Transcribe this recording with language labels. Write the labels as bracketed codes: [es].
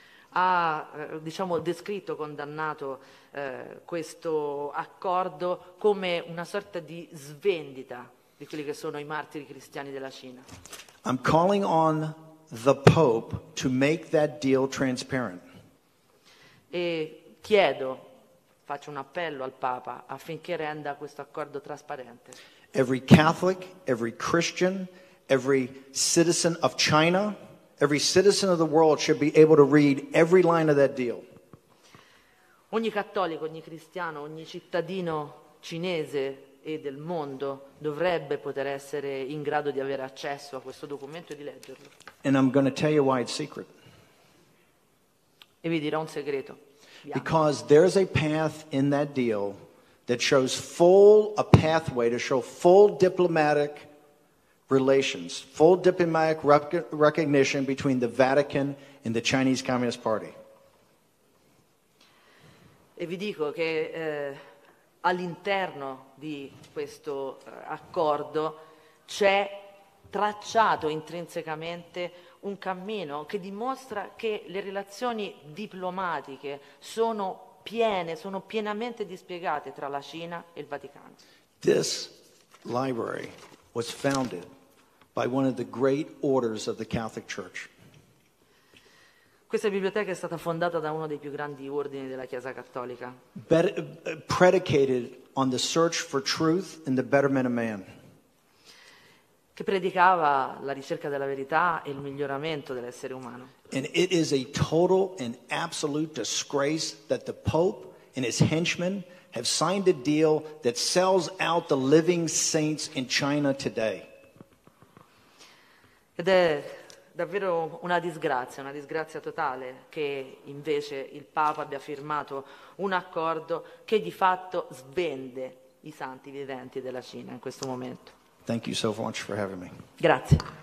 [it] Ha, diciamo, descritto, condannato questo accordo come una sorta di svendita di quelli che sono i martiri cristiani della Cina. [en] I'm calling on the Pope to make that deal transparent. [it] E chiedo, faccio un appello al Papa affinché renda questo accordo trasparente. [en] Every Catholic, every Christian, every citizen of China, every citizen of the world should be able to read every line of that deal. [it] Ogni cattolico, ogni cristiano, ogni cittadino cinese e del mondo dovrebbe poter essere in grado di avere accesso a questo documento e di leggerlo. [en] And I'm going to tell you why it's secret. [it] E vi dirò un segreto. [en] Because there's a path in that deal that shows full, a pathway to show full diplomatic relations, full diplomatic recognition between the Vatican and the Chinese Communist Party. [it] E vi dico che all'interno di questo accordo c'è tracciato intrinsecamente un cammino che dimostra che le relazioni diplomatiche sono piene, sono pienamente dispiegate tra la Cina e il Vaticano. [en] This library was founded by one of the great orders of the Catholic Church. [it] Questa biblioteca è stata fondata da uno dei più grandi ordini della Chiesa Cattolica. [en] Predicated on the search for truth and the betterment of man. [it] Che predicava la ricerca della verità e il miglioramento dell'essere umano. [en] And it is a total and absolute disgrace that the Pope and his henchmen have signed a deal that sells out the living saints in China today. [it] Ed è davvero una disgrazia totale che invece il Papa abbia firmato un accordo che di fatto svende i santi viventi della Cina in questo momento. [en] Thank you so much for having me. [it] Grazie.